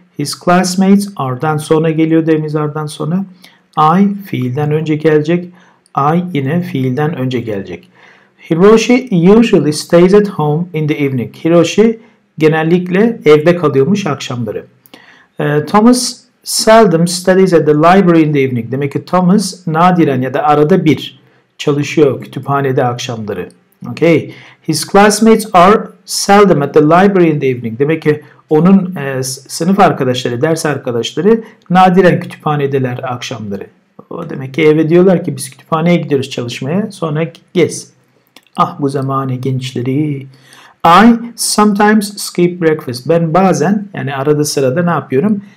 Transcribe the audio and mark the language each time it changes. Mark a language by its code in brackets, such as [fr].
[en] His classmates [tr] are'dan sonra geliyor demiz are'dan sonra. I fiilden önce gelecek. I yine fiilden önce gelecek. [en] Hiroshi usually stays at home in the evening. [tr] Hiroshi genellikle evde kalıyormuş akşamları. [en] Thomas seldom studies at the library in the evening. [tr] Demek ki Thomas nadiren ya da arada bir çalışıyor kütüphanede akşamları. [en] Okay. His classmates are seldom at the library in the evening. [tr] Demek ki onun sınıf arkadaşları, ders arkadaşları nadiren kütüphanedeler akşamları. O demek ki eve diyorlar ki biz kütüphaneye gidiyoruz çalışmaya. Sonra gez. Ah bu zamane gençleri. [en] I sometimes skip breakfast. [tr] Ben bazen yani arada sırada ne yapıyorum?